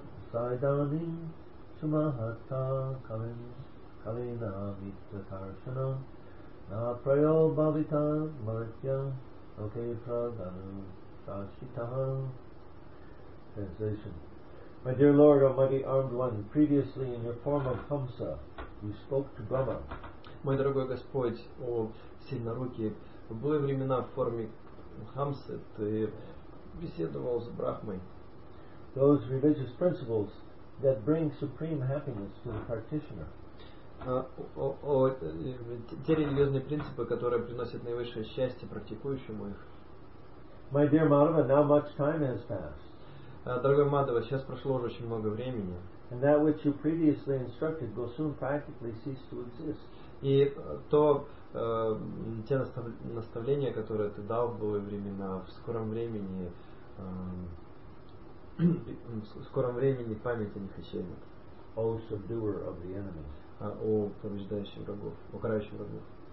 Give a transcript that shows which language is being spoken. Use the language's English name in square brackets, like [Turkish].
[Sanskrit] Сайданин Сумахата Калина Митта Таршана На Прайо Бхавита Мартья Окейтра Дану [English] Translation. My dear Lord, Almighty Armed One, previously in your form of Hamsa, you spoke to Brahma. [Russian] Мой дорогой Господь, о сильнорукий, в былые времена в форме Хамсы ты беседовал с Брахмой. [English] Those religious principles that bring supreme happiness to the practitioner. [Russian] Те религиозные принципы, которые приносят наивысшее счастье практикующему их. [English] My dear Madhava, now much time has passed. [Russian] Дорогой Мадхава, сейчас прошло уже очень много времени. [English] And that which you previously instructed will soon practically cease to exist. [Russian] И то те наставления, которые ты дал в былые времена, в скором времени память о них исчезнет. [English] O subduer of the enemy. [Russian] О побеждающий врагов, о карающий врагов.